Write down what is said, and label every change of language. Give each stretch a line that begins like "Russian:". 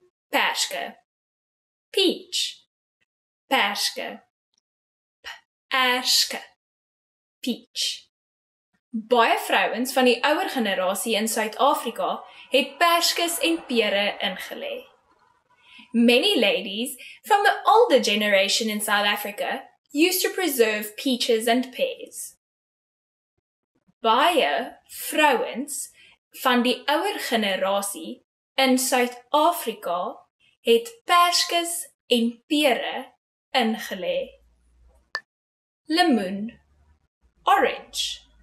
Afrikaans: Peske.
English: Peach.
Afrikaans: Peske. Peske.
English: Peach.
Afrikaans: Baie vrouens van die ouer generasie in Suid-Afrika het perskes en pere ingelê.
English: Many ladies from the older generation in South Africa used to preserve peaches and pears.
Afrikaans: Baie vrouens van die ouer generasie in Suid-Afrika het perskes en pere ingelê. Lemoen.
English: Orange.